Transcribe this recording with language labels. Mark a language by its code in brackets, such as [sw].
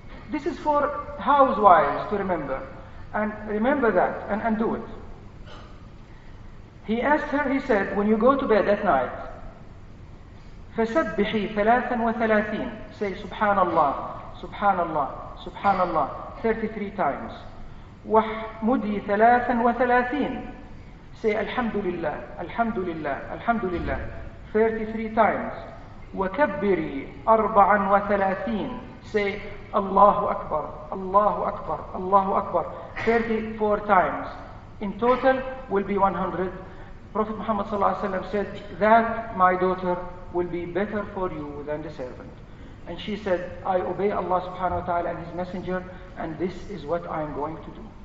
[en] This is for housewives to remember. And remember that and do it. He asked her, he said, "When you go to bed at night, [ar] فسبحي ثلاثا وثلاثين," [en] say [ar] سبحان الله, سبحان الله, سبحان الله, [en] 33 times. [ar] وحمدي ثلاثا وثلاثين, [en] say [ar] الحمد لله, الحمد لله, الحمد لله, [en] 33 times. [ar] وكبري أربعا وثلاثين, [en] say [ar] الله أكبر, الله أكبر, الله أكبر, [en] 34 times. In total will be 100. Prophet Muhammad صلى الله عليه وسلم said, "That, my daughter, will be better for you than the servant." And she said, "I obey Allah subhanahu wa ta'ala and His Messenger, and this is what I am going to do."